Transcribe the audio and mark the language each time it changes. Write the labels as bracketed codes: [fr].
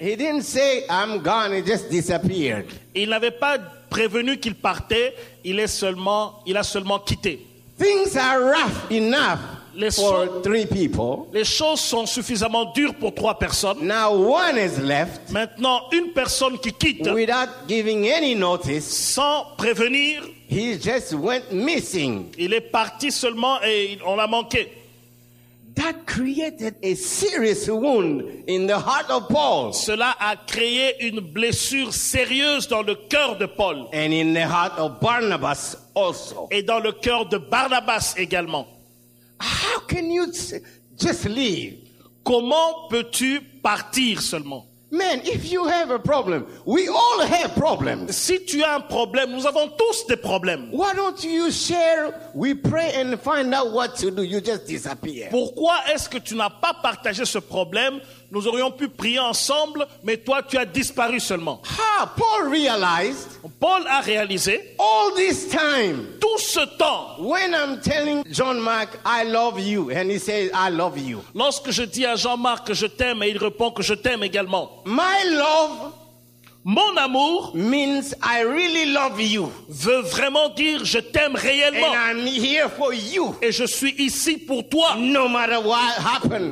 [en] He didn't say, I'm gone, he just disappeared. [fr] Il n'avait pas prévenu qu'il partait, il a seulement quitté. [en] Things are rough enough. For three people. [fr] Les choses sont suffisamment dures pour trois personnes. [en] Now one is left. [fr] Maintenant, une personne qui quitte. [en] Without giving any notice. [fr] Sans prévenir. [en] He just went missing. [fr] Il est parti seulement et on l'a manqué. [en] That created a serious wound in the heart of Paul. [fr] Cela a créé une blessure sérieuse dans le cœur de Paul. [en] And in the heart of Barnabas also. [fr] Et dans le cœur de Barnabas également. [en] How can you just leave? [fr] Comment peux-tu partir seulement? [en] Man, if you have a problem, we all have problems. [fr] Si tu as un problème, nous avons tous des problèmes. [en] Why don't you share? We pray and find out what to do. You just disappear. [fr] Pourquoi est-ce que tu n'as pas partagé ce problème? Nous aurions pu prier ensemble, mais toi, tu as disparu seulement. [en] Ah, Paul realized. [fr] Paul a réalisé. [en] All this time. [fr] Tout ce temps. [en] When I'm telling Jean-Marc, I love you, and he says, I love you. [fr] Lorsque je dis à Jean-Marc que je t'aime, et il répond que je t'aime également. [en] My love. [fr] Mon amour. [en] Means I really love you. [fr] Veut vraiment dire je t'aime réellement. [en] And I'm here for you. [fr] Et je suis ici pour toi. [en] No matter what happened.